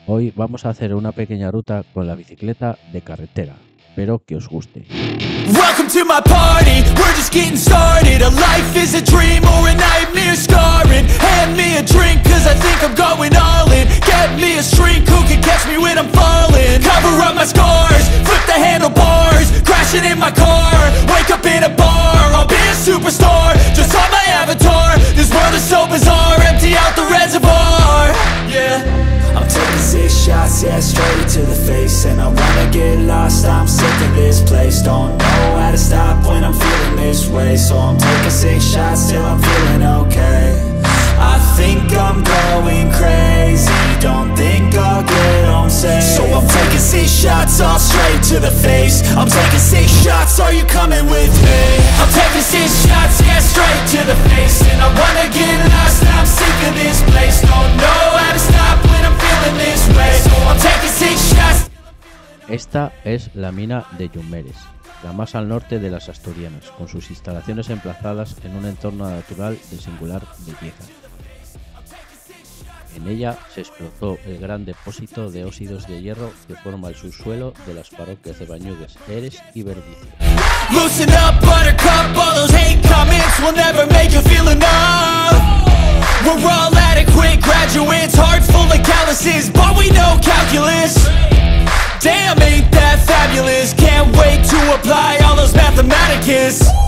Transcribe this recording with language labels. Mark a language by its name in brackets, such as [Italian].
[Spanish] Hoy vamos a hacer una pequeña ruta con la bicicleta de carretera. Espero que os guste. [English] Welcome to my party, we're just getting started. A life is a dream or a nightmare scarring. Hand me a drink cause I think I'm going all in. Get me a shrink who can catch me when I'm falling. Cover up my scars, flip the handlebars. Crashing in my car, wake up in a bar. I'll be a superstar, just on my avatar. This world is so bizarre, empty out the reservoir. Yeah. I'm taking six shots, yeah, straight to the face. And I wanna get lost, I'm sick of this place. Don't know how to stop when I'm feeling this way. So I'm taking six shots till I'm feeling okay. I think I'm going crazy, don't think I'll get on safe. So I'm taking six shots all straight to the face. I'm taking six shots, are you coming with me? I'm taking six shots, yeah, straight to the face. And I wanna get lost, I'm sick of this place. Don't know how to stop when I'm feeling this way. So I'm taking six shots. [Spanish] Esta es la mina de Yumberes, la más al norte de las Asturianas, con sus instalaciones emplazadas en un entorno natural de singular belleza. En ella se explotó el gran depósito de óxidos de hierro que forma el subsuelo de las parroquias de Bañuges, Eres y Berbice. [English] Loosen up, buttercup, all those hate comments will never make you feel enough. We're all adequate graduates, heart full of calluses, but we know calculus. Damn, ain't that fabulous? Can't wait to apply all those mathematicus.